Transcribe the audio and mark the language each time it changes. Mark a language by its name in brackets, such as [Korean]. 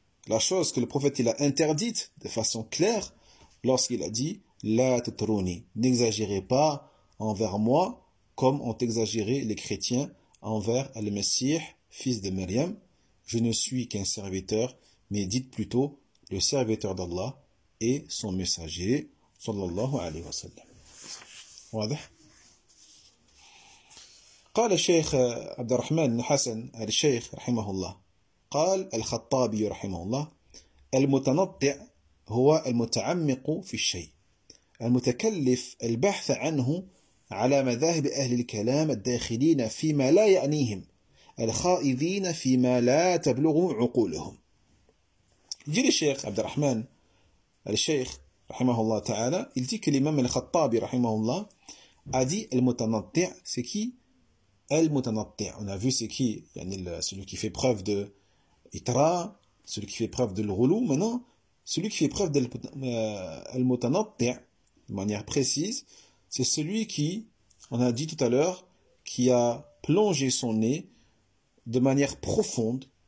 [French] la chose que le prophète il a interdite de façon claire lorsqu'il a dit la tatruni, n'exagérez pas envers moi comme ont exagéré les chrétiens envers al-Messih fils de Maryam, je ne suis qu'un serviteur, mais dites plutôt le serviteur d'Allah et son messager sallallahu alayhi wa sallam. [Arabic] واضح. قال الشيخ عبد الرحمن حسن الشيخ رحمه الله قال الخطابي رحمه الله: المتنطع هو المتعمق في الشيء المتكلف البحث عنه على مذاهب أهل الكلام الداخلين فيما لا يعنيهم الخائضين فيما لا تبلغ عقولهم. يجي الشيخ عبد الرحمن الشيخ رحمه الله تعالى يلتك الإمام الخطابي رحمه الله أدي المتنطع سكي المتنطع. [French] On a vu c'est qui, yani celui qui fait preuve de itra, celui qui fait preuve de l'ghulou. Maintenant, celui qui fait preuve de al-mutanatti' de manière précise, c'est celui qui, on a dit tout à l'heure, qui a plongé son nez de manière profonde,